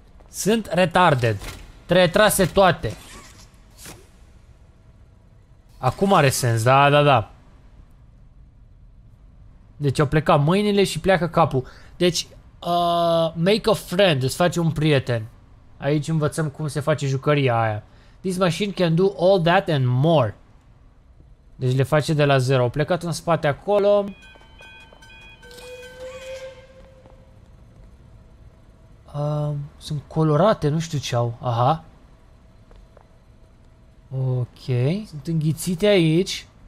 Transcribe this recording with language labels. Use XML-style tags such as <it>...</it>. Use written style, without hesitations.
<ro>Sunt retarded. Retrase toate. Acum are sens, da, da, da. Deci au plecat mâinile și pleacă capul. Deci,</ro> <en>make a friend,</en> <ro>îți faci un prieten. Aici învățăm cum se face jucăria aia.</ro> <en>This machine can do all that and more.</en> <ro>Deci le face de la zero. Au plecat în spate acolo. Sunt colorate, nu știu ce au. Aha. Ok. Sunt înghițite aici.</ro>